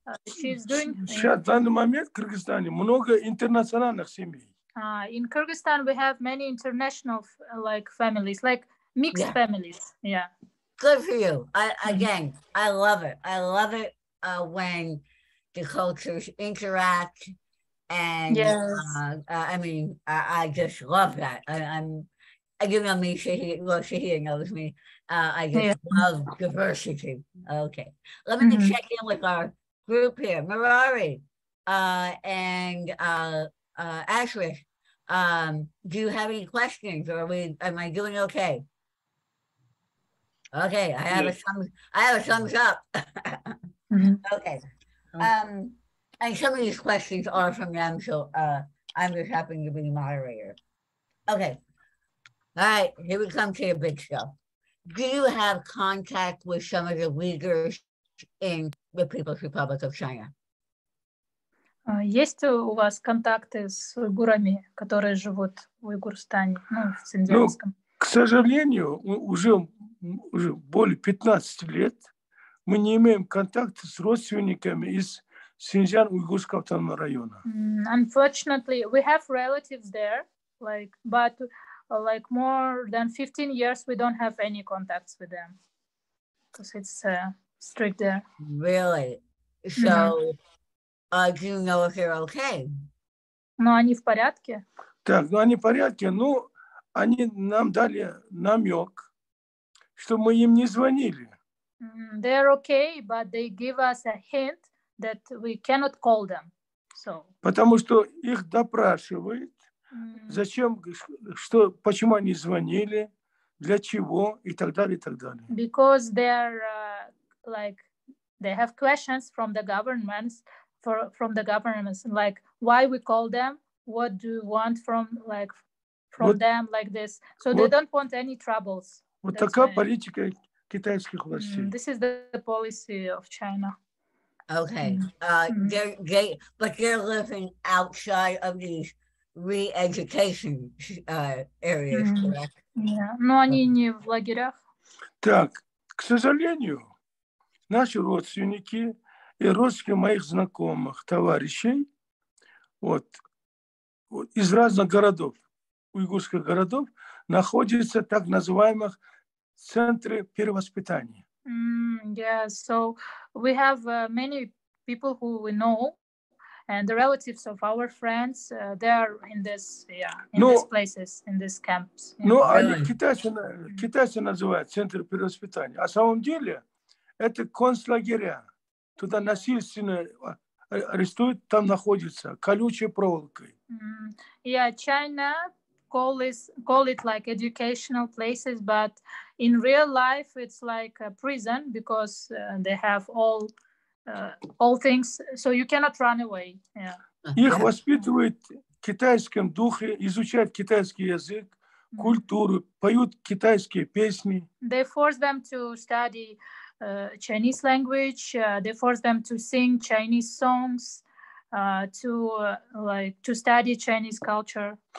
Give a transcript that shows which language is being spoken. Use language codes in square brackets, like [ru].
[ru] Сейчас, в данный момент, в Кыргызстане много интернациональных семей. [en] In Kyrgyzstan we have many international like families, like mixed families. Yeah. Good for you. I love it. I love it when the cultures interact. And yes. I just love that. Shahia knows me. Love diversity. Okay. Let me check in with our group here, Mirari and Ashwish. Do you have any questions, or am I doing okay? Okay, I have a thumbs up. Mm-hmm. Okay. And some of these questions are from them, so I'm just happy to be the moderator. Okay. All right, here we come to your big show. Do you have contact with some of the Uyghurs in the People's Republic of China? [ru] Есть у вас контакты с уйгурами, которые живут в Уйгурстане, ну, в Синьцзянском? Ну, к сожалению, уже более 15 лет мы не имеем контакта с родственниками из Синьцзян-Уйгурского автономного района. [en] Unfortunately, we have relatives there, like, but like more than 15 years we don't have any contacts with them. Because it's strict there. Really? So... Mm-hmm. Do you know if they're okay? [ru] Ну, они в порядке. Так, ну, они в порядке. Ну, они нам дали намек, что мы им не звонили. [en] They're okay, but they give us a hint that we cannot call them. So. [ru] Потому что их допрашивают. Зачем, что, почему они звонили, для чего, и так далее, и так далее. [en] Because they're, like, they have questions from the governments. From the governments, like why we call them, what do you want from like from what, them like this? So what, they don't want any troubles. [ru] Вот такая политика китайских властей. [en] This is the policy of China. Okay. But they're living outside of these re-education areas, correct? [ru] Yeah. Но они не в лагерях. Так, к сожалению, наши родственники. И родственники моих знакомых, товарищей, вот из разных городов, уйгурских городов, находятся так называемых центры перевоспитания. [en] So we have many people who we know, and the relatives of our friends, they are in this, these places, in these camps. [ru] Ну, они китайцы называют центр перевоспитания. А на самом деле это концлагеря. Туда насильственно арестуют, там находится колючей проволокой. [en] Yeah, China call it like educational places, but in real life it's like a prison because they have all things, so you cannot run away. Yeah. [ru] Их воспитывают в китайском духе, изучают китайский язык, культуру, поют китайские песни. [en] They force them to study Chinese language, they force them to sing Chinese songs, to study Chinese culture.